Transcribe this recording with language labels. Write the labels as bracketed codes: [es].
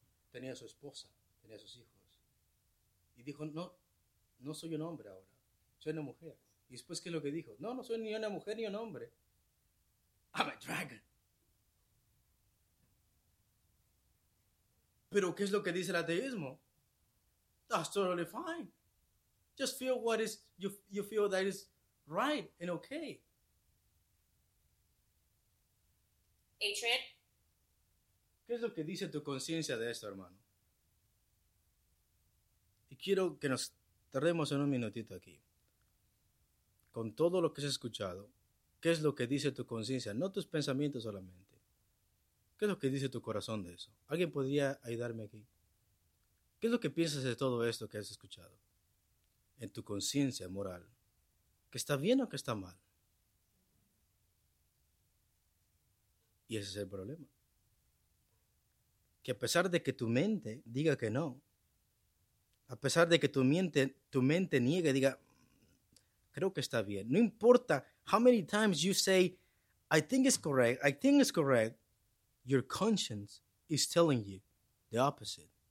[es] Tenía su esposa, tenía sus hijos. Y dijo, no soy un hombre ahora. Soy una mujer. Y después, ¿qué es lo que dijo? No soy ni una mujer ni un hombre. I'm a dragon. Pero, ¿qué es lo que dice el ateísmo? [en] That's totally fine. Just feel what is, you feel that is right and okay. [es] ¿Qué es lo que dice tu conciencia de esto, hermano? Y quiero que nos tardemos en un minutito aquí. Con todo lo que has escuchado, ¿qué es lo que dice tu conciencia? No tus pensamientos solamente. ¿Qué es lo que dice tu corazón de eso? ¿Alguien podría ayudarme aquí? ¿Qué es lo que piensas de todo esto que has escuchado? En tu conciencia moral. ¿Que está bien o que está mal? Y ese es el problema. Que a pesar de que tu mente diga que no, a pesar de que tu mente niegue, diga, creo que está bien. [en] No importa how many times you say, I think it's correct, your conscience is telling you the opposite.